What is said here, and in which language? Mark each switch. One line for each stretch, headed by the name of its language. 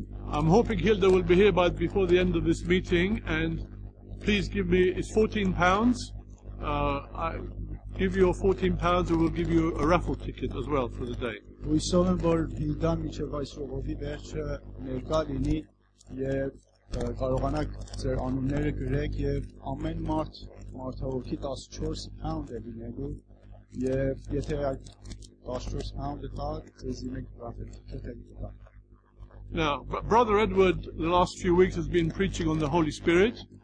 English: I'm hoping Hilda will be here by before the end of this meeting, and please give me, it's £14. I give you £14, and we'll give you a raffle ticket as well for the day.
Armenian: Հույսով եմ, որ Հիլդան մինչև այս ժողովի վերջը ներկա լինի եւ կարողանաք ձեր անունները գրեք եւ ամեն մարդ մարդահոգի 14 pound է լինելու եւ եթե այդ 14 pound-ը տա, ձեզ իմ գրաֆիկ կտեղի տա։
English: Now, Brother Edward, the last few weeks has been preaching on the Holy Spirit.